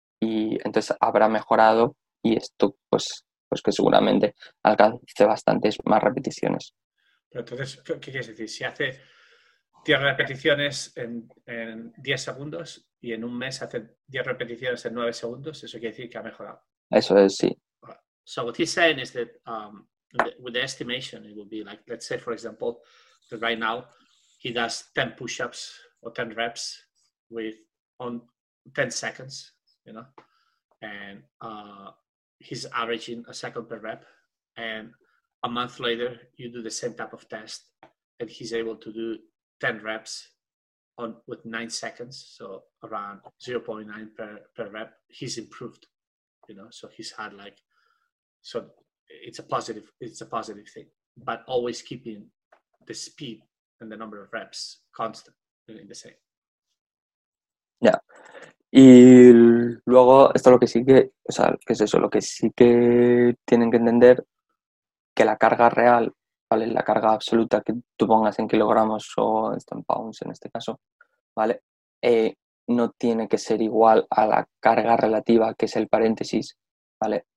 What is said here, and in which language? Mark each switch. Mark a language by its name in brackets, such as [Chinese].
[Spanish] Y entonces habrá mejorado y esto, pues que seguramente alcance bastantes más repeticiones. Pero entonces, ¿qué quieres decir? Si hace 10 repeticiones en 10 segundos y en un mes hace 10 repeticiones en 9 segundos, eso quiere decir que ha mejorado. Eso es, sí. [English] So what he's saying is that with the estimation, it would be like, let's say, for example, that right now he does 10 push-ups or 10 reps on 10 seconds, you know, and he's averaging a second per rep. And a month later, you do the same type of test and he's able to do 10 reps with 9 seconds, so around 0.9 per rep. He's improved, you know, so he's had like... So it's a positive thing, but always keeping the speed and the number of reps constant in the same. Yeah. [Spanish] Y luego esto lo que sigue, o sea, que es eso, lo que sí que tienen que entender que la carga real, ¿vale? La carga absoluta que tú pongas en kilogramos o en pounds en este caso, ¿vale? No tiene que ser igual a la carga relativa, que es el paréntesis, ¿vale?